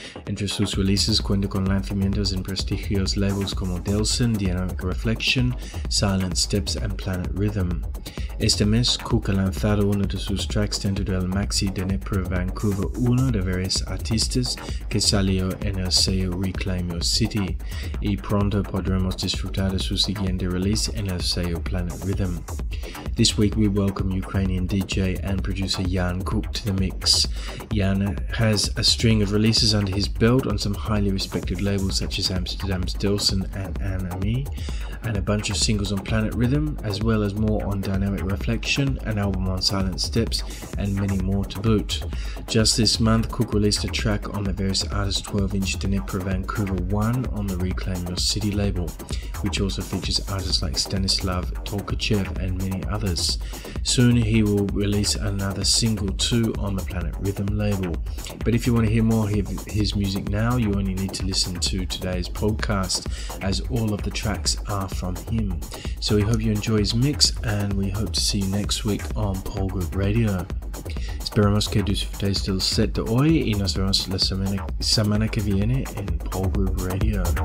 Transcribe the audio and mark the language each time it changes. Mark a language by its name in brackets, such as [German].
[Spanish] Entre sus releases cuenta con lanzamientos en prestigios labels como Delson, Dynamic Reflection, Silent Steps and Planet Rhythm. Este mes, Cook ha lanzado uno de sus tracks dentro del maxi de Nepre Vancouver 1 de varios artistas que salió en el sello Reclaim Your City, y pronto podremos disfrutar de su siguiente release en el sello Planet Rhythm. [English] This week we welcome Ukrainian DJ and producer Jan Cook to the mix. Jan has a string of releases under his belt on some highly respected labels such as Amsterdam's Delson and Anami, and a bunch of singles on Planet Rhythm, as well as more on Dynamic Reflection, an album on Silent Steps, and many more to boot. Just this month, Cook released a track on the various artists 12-inch Dnipro Vancouver 1 on the Reclaim Your City label, which also features artists like Stanislav Tolkachev and many others. Soon he will release another single too on the Planet Rhythm label. But if you want to hear more of his music now, you only need to listen to today's podcast, as all of the tracks are from him. So we hope you enjoy his mix, and we hope to see you next week on Pole Group Radio. [Spanish] Esperamos que disfrutéis del set de hoy y nos vemos la semana que viene en Pole Group Radio.